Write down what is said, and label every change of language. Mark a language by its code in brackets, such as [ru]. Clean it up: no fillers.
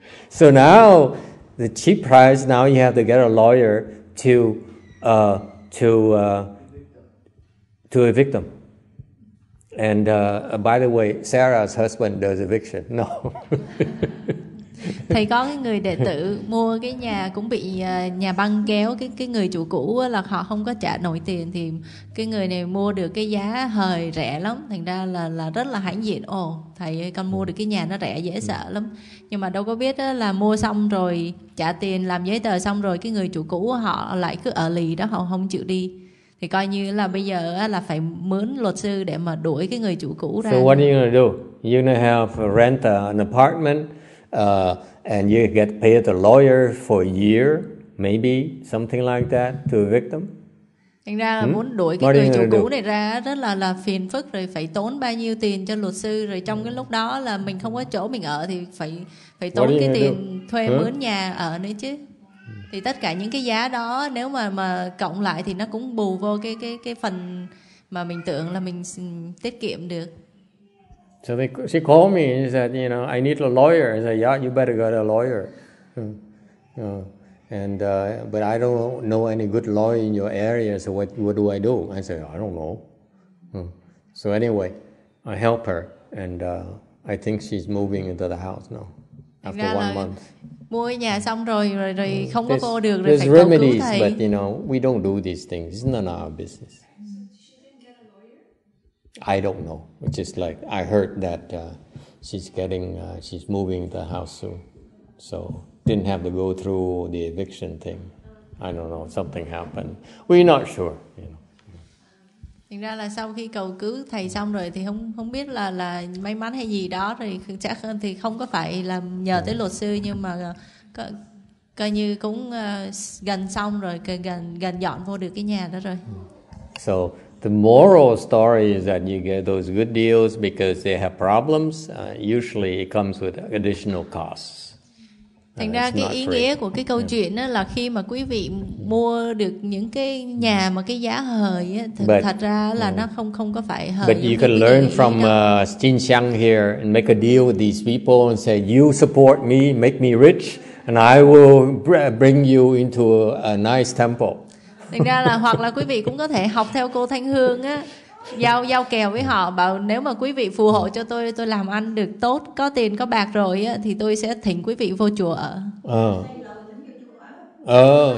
[en] So now the cheap price. Now you have to get a lawyer to evict them. And by the way, Sarah's husband does eviction. No. [vi] Thầy có cái người đệ tử mua cái nhà cũng bị nhà băng kéo cái người chủ cũ là họ không có trả nổi tiền thì cái người này mua được cái giá hời rẻ lắm thành ra là rất là hãnh diện ồ thầy con mua được cái nhà nó rẻ dễ sợ lắm nhưng mà đâu có biết là mua xong rồi trả tiền làm giấy tờ xong rồi cái người chủ cũ họ lại cứ ở lì đó họ không chịu đi thì coi như là bây giờ là phải mướn luật sư để mà đuổi cái người chủ cũ ra. [en] So what are you gonna do? You gonna have rent an apartment? And you get paid the lawyer for a year, maybe something like that, to evict them. [vi] Thành ra muốn đuổi cái người chủ cũ này ra rất là phiền phức rồi phải tốn bao nhiêu tiền cho luật sư rồi trong cái lúc đó là mình không có chỗ mình ở thì phải tốn cái tiền thuê mướn nhà ở nữa chứ. Thì tất cả những cái giá đó nếu mà cộng lại thì nó cũng bù vô cái phần mà mình tưởng là mình tiết kiệm được. [en] So she called me and she said, you know, I need a lawyer. I said, yeah, you better get a lawyer. But I don't know any good lawyer in your area, so what do I do? I said, I don't know. So anyway, I help her, and I think she's moving into the house now, after 1 month. [vi] Mua nhà xong rồi không có vô được, rồi phải cầu cứu thầy. [en] But, you know, we don't do these things. It's none of our business. I don't know. It's just like I heard that she's moving the house soon. So didn't have to go through the eviction thing. I don't know, something happened. We're not sure, you know. [vi] Thành ra là sau khi cầu cứu thầy xong rồi thì không biết là may mắn hay gì đó rồi chắc hơn thì không có phải là nhờ tới luật sư nhưng mà coi như cũng gần xong rồi gần dọn vô được cái nhà đó rồi. [en] So the moral story is that you get those good deals because they have problems. Usually it comes with additional costs. [vi] Thành ra cái ý nghĩa của cái câu chuyện đó là khi mà quý vị mua được những cái nhà mà cái giá hời á, thật ra là nó không có phải hời. [en] But you can learn from Xin Xiang here and make a deal with these people and say you support me, make me rich and I will bring you into a nice temple. [vi] Thành ra là hoặc là quý vị cũng có thể học theo cô Thanh Hương á, giao kèo với họ, bảo nếu mà quý vị phù hộ cho tôi làm ăn được tốt, có tiền có bạc rồi á, thì tôi sẽ thỉnh quý vị vô chùa ở.